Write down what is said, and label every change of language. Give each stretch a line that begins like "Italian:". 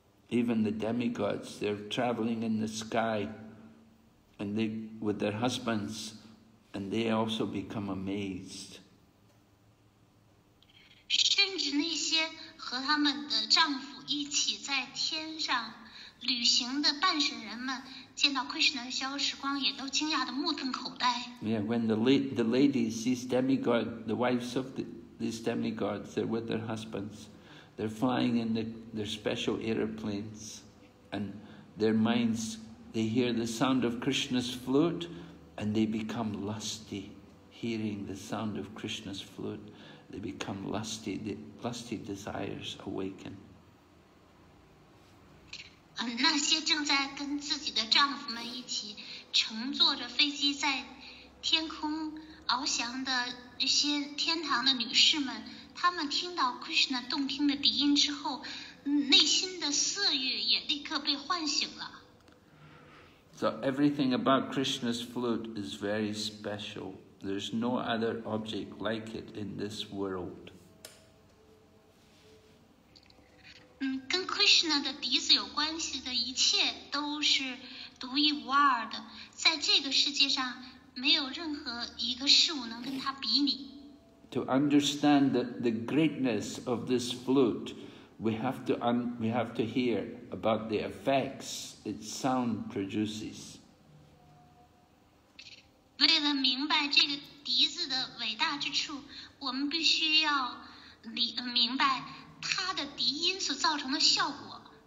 English: Even the demigods, they're traveling in the sky, and they, with their husbands, and they also become amazed.
Chinese: 甚至那些和他们的丈夫一起在天上旅行的半神人们，见到 Krishna 的消失光，也都惊讶的目瞪口呆。
English: Yeah, when the ladies, these demigods, the wives of these demigods, they're with their husbands. They're flying in their special airplanes, and their minds, they hear the sound of Krishna's flute, and they become lusty. Hearing the sound of Krishna's flute, they become lusty, the lusty desires awaken.
Chinese: 那些正在跟自己的丈夫们一起乘坐着飞机在天空翱翔的那些天堂的女士们，他们听到 Krishna 动听的笛音之后，内心的色欲也立刻被唤醒了。
English: So everything about Krishna's flute is very special. There's no other object like it in this world.
Chinese: 跟 Krishna 的笛子有关系的一切都是独一无二的，在这个世界上没有任何一个事物能跟它比拟。
English: To understand the greatness of this flute, we have to hear about the effects its sound produces.
Chinese: 为了明白这个笛子的伟大之处，我们必须要明白它的笛音所造成的效果。